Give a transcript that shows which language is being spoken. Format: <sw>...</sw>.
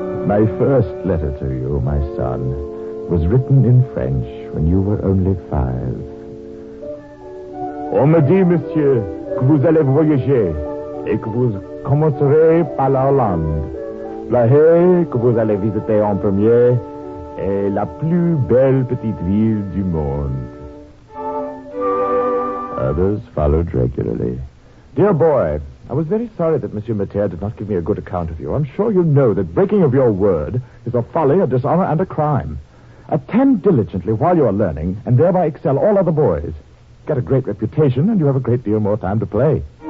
<en>My first letter to you, my son, was written in French when you were only 5.</en> <fr>On me dit, monsieur, que vous allez voyager et que vous commencerez par la Hollande. La Haye, que vous allez visiter en premier, est la plus belle petite ville du monde.</fr> <en>Others followed regularly. Dear boy, I was very sorry that Monsieur Mater did not give me a good account of you. I'm sure you know that breaking of your word is a folly, a dishonor, and a crime. Attend diligently while you are learning, and thereby excel all other boys. Get a great reputation, and you have a great deal more time to play.</en>